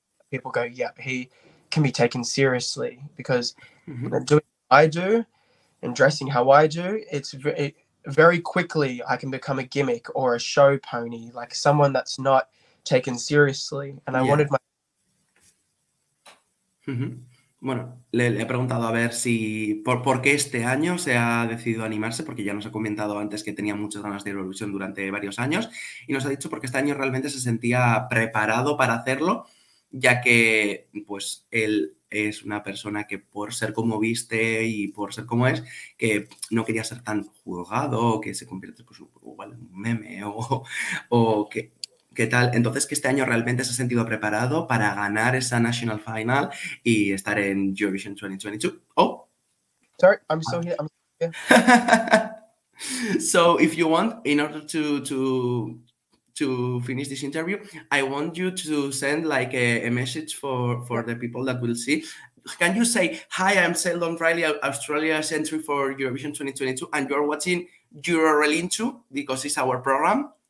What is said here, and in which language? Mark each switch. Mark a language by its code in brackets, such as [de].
[en] People go, yeah, he can be taken seriously, because mm-hmm. doing what I do and dressing how I do, very quickly I can become a gimmick or a show pony, like someone that's not taken seriously. And I yeah. wanted my. Mm-hmm. [es] Bueno, le he preguntado a ver si por qué este año se ha decidido animarse, porque ya nos ha comentado antes que tenía muchas ganas de Eurovision durante varios años, y nos ha dicho porque este año realmente se sentía preparado para hacerlo, ya que pues él es una persona que por ser como viste y por ser como es, que no quería ser tan juzgado, que se convierte pues igual en un meme o que ¿qué tal? Entonces, que este año realmente se ha sentido preparado para ganar esa National Final y estar en Eurovision 2022. [en] Oh! Sorry, I'm still here. I'm still here. So, if you want, in order to finish this interview, I want you to send like a message for the people that will see. Can you say, hi, I'm Sheldon Riley, Australia's entry for Eurovision 2022, and you're watching Eurorelinchu, because it's our program.